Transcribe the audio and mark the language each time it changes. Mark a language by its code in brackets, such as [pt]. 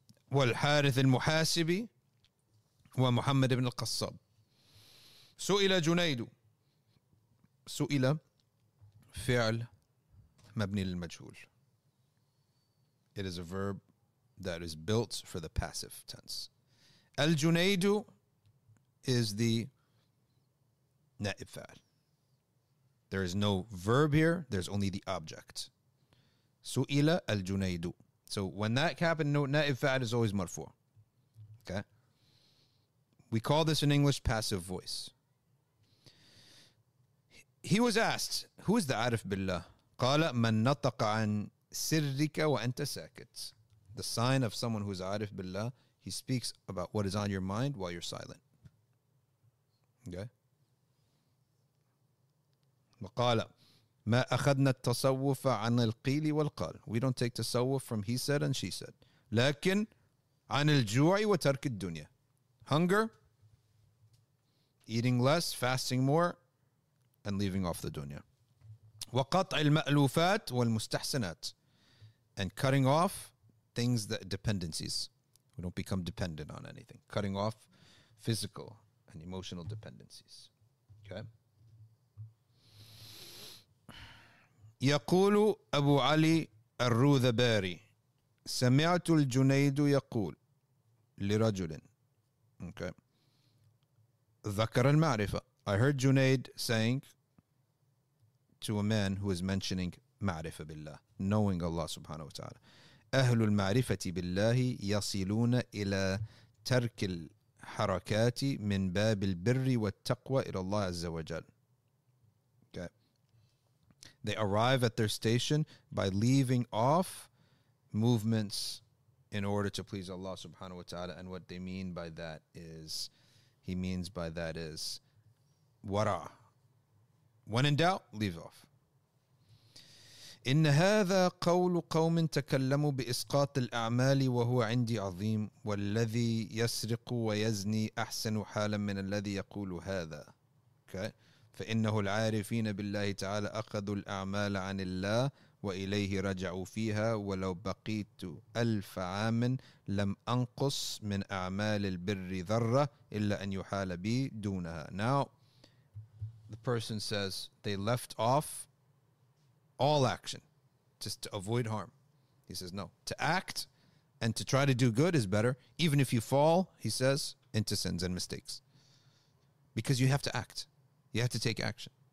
[ar] والحارث المحاسبي ومحمد بن القصاب سئل جنيد سئل فعل مبني للمجهول. [en] It is a verb that is built for the passive tense. [ar] الجنيد [en] is the [ar] نائب فعل. [en] There is no verb here, there's only the object. [ar] سئل الجنيد. [en] So when that happened, na'if fa'al is always marfu. Okay? We call this in English passive voice. He was asked, who is the [ar] arif billah? Qala man nataqa an sirrika wa anta sakit. [en] The sign of someone who is arif billah, he speaks about what is on your mind while you're silent. Okay? [ar] Maqala. ما أخذنا التصوف عن القيل والقال. [en] We don't take tasawuf from he said and she said. [ar] لكن عن الجوع وترك الدنيا. [en] Hunger, eating less, fasting more, and leaving off the dunya. [ar] وقطع المألوفات والمستحسنات. [en] And cutting off things that dependencies. We don't become dependent on anything. Cutting off physical and emotional dependencies. Okay? [ar] يقول أبو علي الروذباري سمعت الجنيد يقول لرجل okay. ذكر المعرفة. [en] I heard Junaid saying to a man who is mentioning معرفة بالله, knowing Allah subhanahu wa ta'ala. [ar] أهل المعرفة بالله يصلون إلى ترك الحركات من باب البر والتقوى إلى الله عز وجل. [en] They arrive at their station by leaving off movements in order to please Allah subhanahu wa ta'ala. And what they mean by that is, he means by that is, wara. When in doubt, leave off. [ar] إِنَّ هَذَا قَوْلُ قَوْمٍ تَكَلَّمُوا بِإِسْقَاطِ الْأَعْمَالِ وَهُوَ عِنْدِي عَظِيمٌ وَالَّذِي يَسْرِقُ وَيَزْنِي أَحْسَنُ حَالًا مِنَ الَّذِي يَقُولُ هَذَا. Okay. فإنه العارفين بالله تعالى أخذوا الأعمال عن الله وإليه رجعوا فيها ولو بقيت ألف عام لم أنقص من أعمال البر ذرة إلا أن يحال بي دونها. [en] Now, the person says they left off all action, just to avoid harm. He says, no, to act and to try to do good is better, even if you fall, he says, into sins and mistakes. Because you have to act. You have to take action.